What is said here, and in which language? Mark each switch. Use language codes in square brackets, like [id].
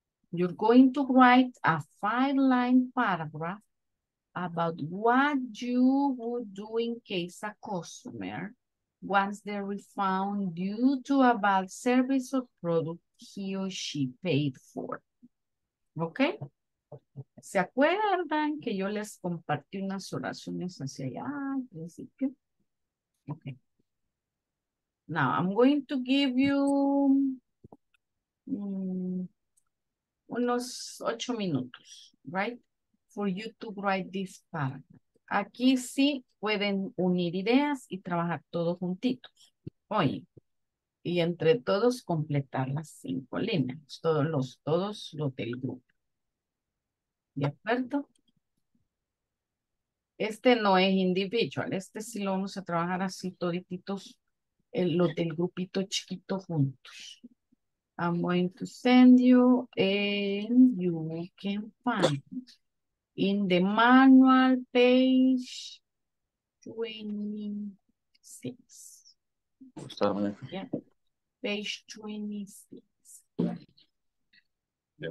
[en] You're going to write a 5-line paragraph about what you would do in case a customer wants their refund due to a bad service or product he or she paid for. Okay? [es] ¿Se acuerdan que yo les compartí unas oraciones hacia allá al principio? [en] Okay. Now, I'm going to give you [es] unos 8 minutos, [en] right? for you to write this paragraph. [es] Aquí sí pueden unir ideas y trabajar todos juntitos. Oye, y entre todos completar las cinco líneas, todos los del grupo. ¿De acuerdo? Este no es individual, este sí lo vamos a trabajar así todititos, los del grupito chiquito juntos. [en] I'm going to send you and you can find in the manual page 26. Page 26. Yeah.